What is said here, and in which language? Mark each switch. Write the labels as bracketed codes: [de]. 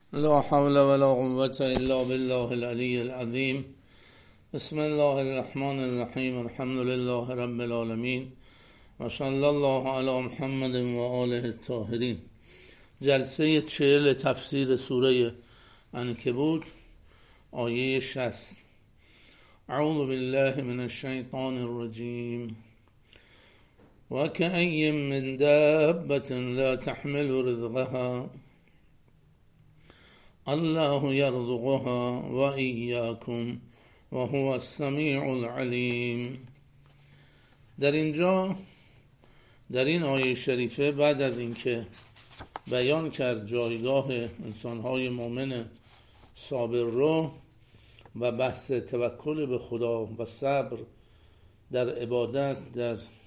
[ar] لا حول ولا قوة إلا بالله العلي العظيم. بسم الله الرحمن الرحيم. الحمد لله رب العالمين، وصلى الله على محمد وآله الطاهرين. [fa] جلسه 40 تفسیر سوره عنکبوت آیه 60. [ar] اعوذ بالله من الشیطان الرجیم. وكأي من دابة لا تحمل رزقها الله يرزقها وإياكم وهو السميع العليم. [fa] در اینجا در این آیه شریفه بعد از اینکه بیان کرد جایگاه انسان‌های مؤمن صابر رو و بحث توکل به خدا و صبر در عبادت در